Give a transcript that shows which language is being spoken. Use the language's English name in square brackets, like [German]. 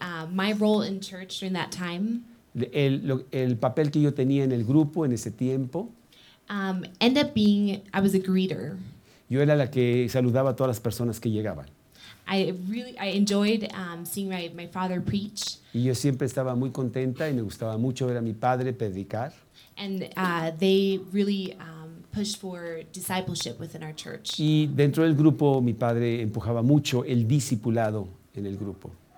[English] My role in church during that time. [Spanish] El papel que yo tenía en el grupo en ese tiempo. [English] End up being, I was a greeter. [Spanish] Yo era la que saludaba a todas las personas que llegaban. [English] I enjoyed seeing my father preach. [Spanish] Y yo siempre estaba muy contenta y me gustaba mucho ver a mi padre predicar. [English] And they really pushed for discipleship within our church. [Spanish] Y dentro del grupo, mi padre empujaba mucho el discipulado en el grupo.